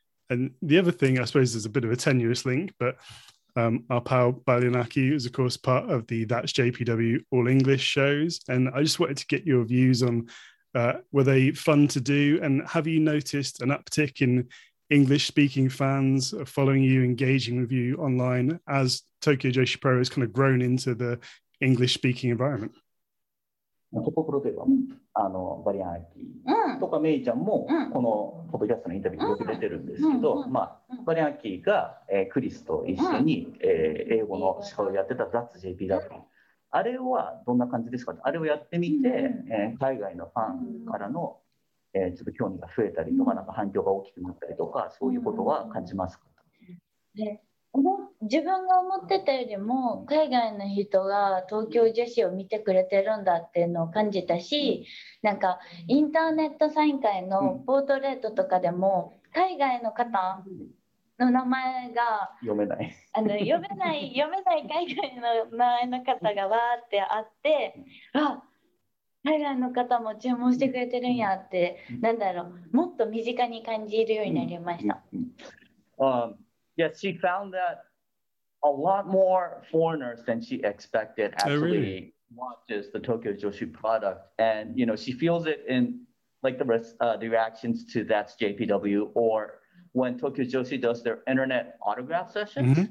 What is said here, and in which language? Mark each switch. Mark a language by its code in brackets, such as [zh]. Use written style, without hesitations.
[en] And the other thing, I suppose, is a bit of a tenuous link, but、our pal Balianaki is, of course, part of the That's JPW All English shows. And I just wanted to get your views on, were they fun to do? And have you noticed an uptick in English-speaking fans following you, engaging with you online as Tokyo Joshi Pro has kind of grown into the English-speaking environment? [ja] ところで、バリアナキとかメイちゃんもこのポッドキャストのインタビューよく出てるんですけど、まあ、バリアナキが、クリスと一緒に、英語の司会をやってた That's JP だと、あれはどんな感じですか、あれをやってみて、海外のファンからの、ちょっと興味が増えたりとか、 なんか反響が大きくなったりとか、そういうことは感じますか。自分が思ってたよりも海外の人が東京女子を見てくれてるんだっていうのを感じたし、なんかインターネットサイン会のポートレートとかでも海外の方の名前が読めない、あの読めない海外の名前の方がわーってあって、あ、海外の方も注文してくれてるんやって、なんだろう、もっと身近に感じるようになりました。 [en] Yes, she found that a lot more foreigners than she expected actually、 oh, really? Watches the Tokyo Joshi product. And, you know, she feels it in like the reactions to That's JPW or when Tokyo Joshi does their internet autograph sessions,、